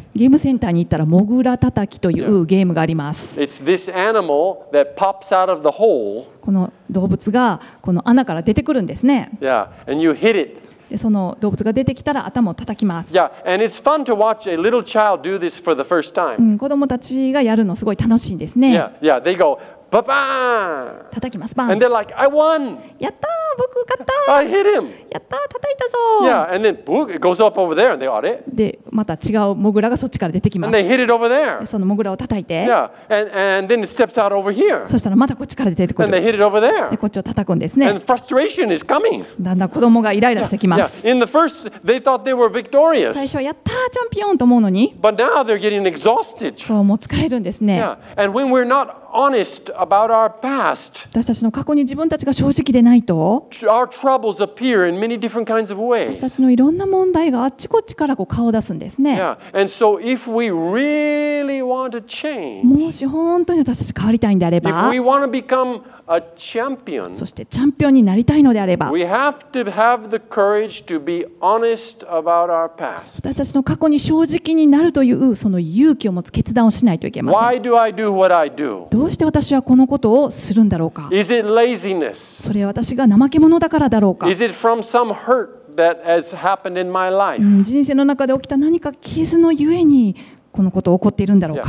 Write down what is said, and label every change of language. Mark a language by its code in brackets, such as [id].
[ja] ゲームセンターに行ったらモグラたたきというゲームがあります。 [en] Yeah. It's this animal that pops out of the hole. [ja] この動物がこの穴から出てくるんですね。 [en] Yeah, and you hit it. [ja] その動物が出てきたら頭を叩きます。 [en] Yeah, and it's fun to watch a little child do this for the first time. [ja] 子供たちがやるのすごい楽しいんですね。 [en] Yeah, yeah, they go, ba-bang! [ja] 叩きます、バン。 [en] And they're like, I won! [ja] やったー、僕勝った [en] ー。I hit him! [ja] やったー、叩いたぞー。 [en] Yeah, and then, boom, it goes up over there, and they go, あれ？ [ja] で、また違うモグラがそっちから出てきます。 [en] And they hit it over there. [ja] そのモグラを叩いて。 [en] Yeah, and then it steps out over here. [ja] そしたらまたこっちから出てくる。 [en] And they hit it over there. [ja] で、こっちを叩くんですね。 [en] And frustration is coming. [ja] だんだん子供がイライラしてきます。 [en] Yeah. In the first, they thought they were victorious. [ja] 最初はやったー、チャンピオンと思うのに。 [en] But now they're getting exhausted. [ja] そう、もう疲れるんですね。 [en] Yeah. And when we're not honest about our past, [ja] 私たちの過去に自分たちが正直でないと、 [en] our troubles appear in many different kinds of ways. [ja] 私たちのいろんな問題があっちこっちからこう顔を出すんですね。 [en] Yeah. And so if we really want to change, [ja] もし本当に私たち変わりたいんであれば、 [en] if we want to become A champion, [ja] そしてチャンピオンになりたいのであれば、 [en] we have to have the courage to be honest about our past. [ja] 私たちの過去に正直になるというその勇気を持つ決断をしないといけません。 [en] Why do I do what I do? [ja] どうして私はこのことをするんだろうか。 [en] Is it laziness? [ja] それは私が怠け者だからだろうか。 [en] Is it from some hurt that has happened in my life? [ja] 人生の中で起きた何か傷のゆえにこのことが起こっているんだろうか。